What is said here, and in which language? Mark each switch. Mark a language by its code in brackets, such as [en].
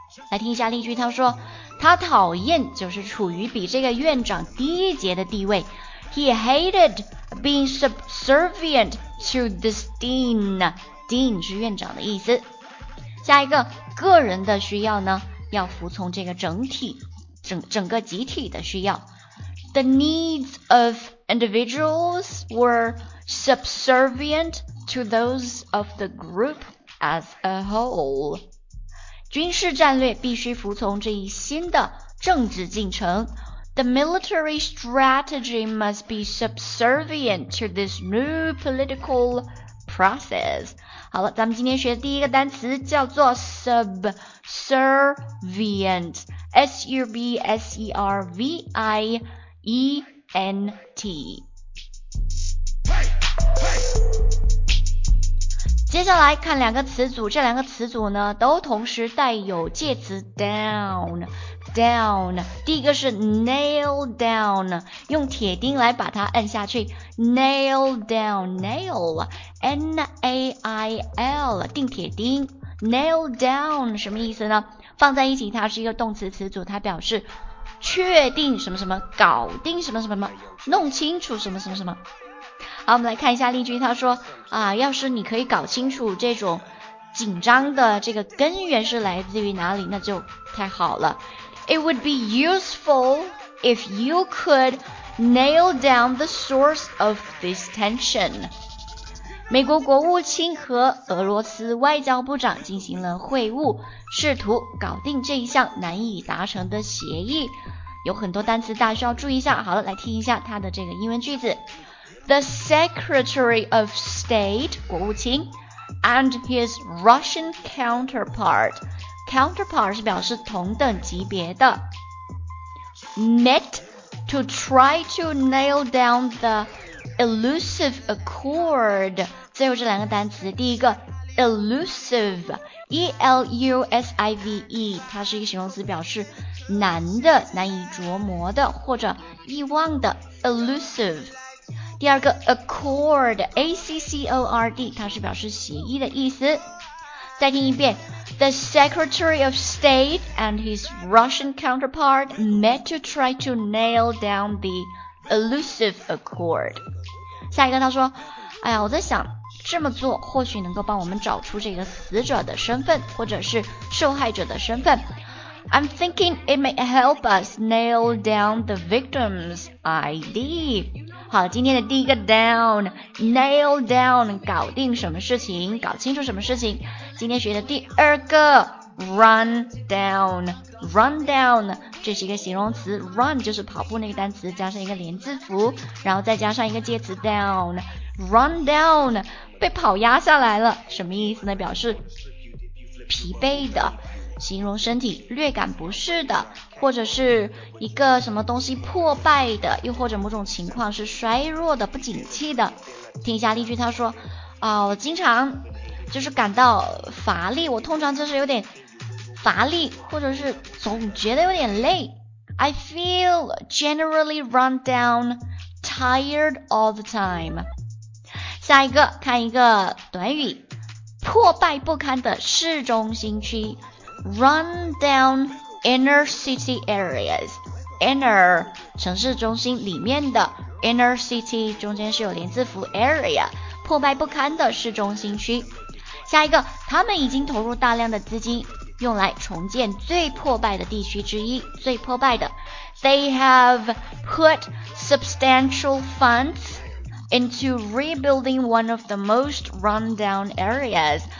[zh] 来听一下例句，他说他讨厌就是处于比这个院长低一阶的地位。 [en] He hated being subservient to this dean. [zh] Dean 是院长的意思。下一个，个人的需要呢，要服从这个整体， 整个集体的需要。 [en] The needs of individuals were subservient to those of the group as a whole. [zh] 军事战略必须服从这一新的政治进程。 [en] The military strategy must be subservient to this new political process. [zh] 好了，咱们今天学的第一个单词叫做 subservient, S-U-B-S-E-R-V-I-E-N-T。接下来看两个词组，这两个词组呢都同时带有介词 down, down。第一个是 nail down, 用铁钉来把它按下去， nail down, nail, N-A-I-L, 钉铁钉。 nail down 什么意思呢？放在一起它是一个动词词组，它表示确定什么什么，搞定什么什么，弄清楚什么什么什么。好，我们来看一下例句，他说啊，要是你可以搞清楚这种紧张的这个根源是来自于哪里，那就太好了。 [en] It would be useful if you could nail down the source of this tension. [zh] 美国国务卿和俄罗斯外交部长进行了会晤，试图搞定这一项难以达成的协议。有很多单词大家需要注意一下，好了，来听一下他的这个英文句子。 [en] The Secretary of State, [zh] 国务卿, [en] and his Russian counterpart, counterpart [zh] 是表示同等级别的, [en] met to try to nail down the elusive accord. [zh] 最后这两个单词，第一个 elusive, E-L-U-S-I-V-E, 它是一个形容词，表示难的、难以琢磨的或者遗忘的 elusive。第二个 accord, A-C-C-O-R-D, 它是表示协议的意思。再听一遍， [en] The Secretary of State and his Russian counterpart met to try to nail down the elusive accord. [zh] 下一个他说，哎呀，我在想这么做或许能够帮我们找出这个死者的身份或者是受害者的身份。 [en] I'm thinking it may help us nail down the victim's ID. [zh] 好，今天的第一个 down, nail down, 搞定什么事情，搞清楚什么事情。今天学的第二个 run down, run down, 这是一个形容词， run 就是跑步那个单词，加上一个连字符，然后再加上一个介词 down, run down, 被跑压下来了，什么意思呢？表示疲惫的，形容身体略感不适的，或者是一个什么东西破败的，又或者某种情况是衰弱的、不景气的。听一下例句，他说哦，我经常就是感到乏力，我通常就是有点乏力，或者是总觉得有点累。 [en] I feel generally run down, tired all the time. [zh] 下一个看一个短语，破败不堪的市中心区 ， [en] run down inner city areas. [zh] Inner 城市中心里面的 inner city 中间是有连字符 area， 破败不堪的市中心区。下一个，他们已经投入大量的资金用来重建最破败的地区之一，最破败的。 [en] They have put substantial funds into rebuilding one of the most run-down areas.